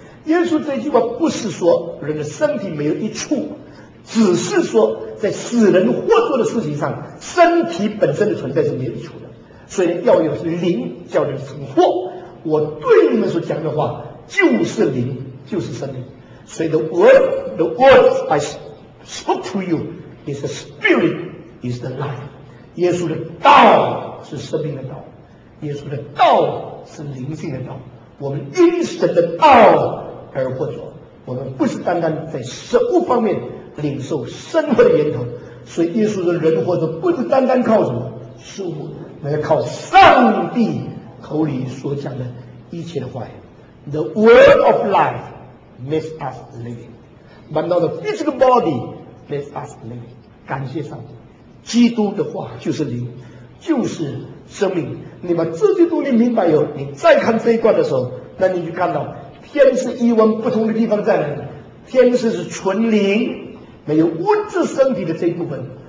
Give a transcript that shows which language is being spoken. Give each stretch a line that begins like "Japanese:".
Chinese: 耶稣这句话不是说人的身体没有一处，只是说在死人活着的事情上身体本身的存在是没有一处的，所以要有灵叫人成活。我对你们所讲的话就是灵，就是生命。所以
English: the words I spoke to you is the spirit, is the life。
Chinese: 耶稣的道是生命的道，耶稣的道是灵性的道，我们因神的道而活着，我们不是单单在食物方面领受生活的源头。所以耶稣的人活着不是单单靠什么食物，乃是靠上帝口里所讲的一切的话语。
English: The word of life makes us living, but not the physical body makes us living。
Chinese: 感谢上帝，基督的话就是灵，就是生命。你把这些东西明白以后，你再看这一段的时候，那你就看到天是与我们不同的地方在哪里？天是是纯灵，没有物质身体的这一部分。